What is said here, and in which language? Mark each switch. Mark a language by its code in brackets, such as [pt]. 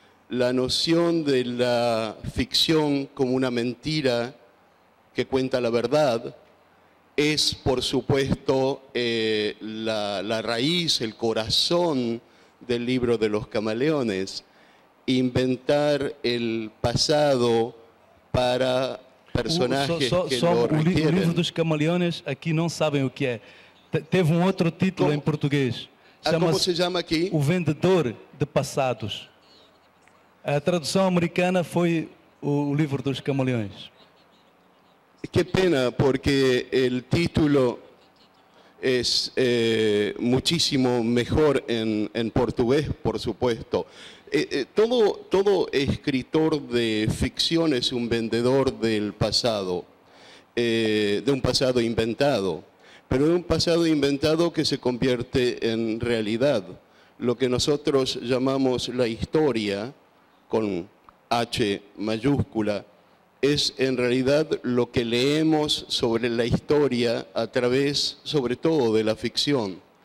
[es] La noción de la ficción como una mentira que cuenta la verdad es, por supuesto, la raíz, el corazón del libro de los camaleones. Inventar el pasado para personajes que no requieren. El libro dos camaleones aquí no saben lo que es. [pt] Teve um outro título em português. Como se chama aqui? O Vendedor de Passados. A tradução americana foi O Livro dos Camaleões. Que pena, porque o título é muchísimo melhor em português, [es] por supuesto. [pt] Todo escritor de ficção é um vendedor del passado, de um passado inventado. [es] Pero de un pasado inventado que se convierte en realidad. Lo que nosotros llamamos la historia, con H mayúscula, es en realidad lo que leemos sobre la historia a través, sobre todo, de la ficción.